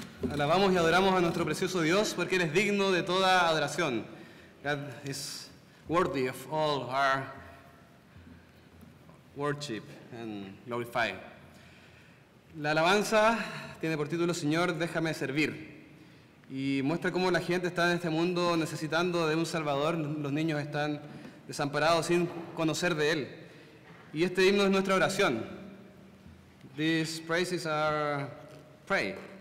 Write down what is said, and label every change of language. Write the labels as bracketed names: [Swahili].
[Spanish] Alabamos y adoramos a nuestro precioso Dios porque Él es digno de toda adoración. [English] God is worthy of all our worship and glorify. [Spanish] La alabanza tiene por título Señor, déjame servir. Y muestra cómo la gente está en este mundo necesitando de un Salvador. Los niños están desamparados sin conocer de Él. Y este himno es nuestra oración. [English] These praises are prayer.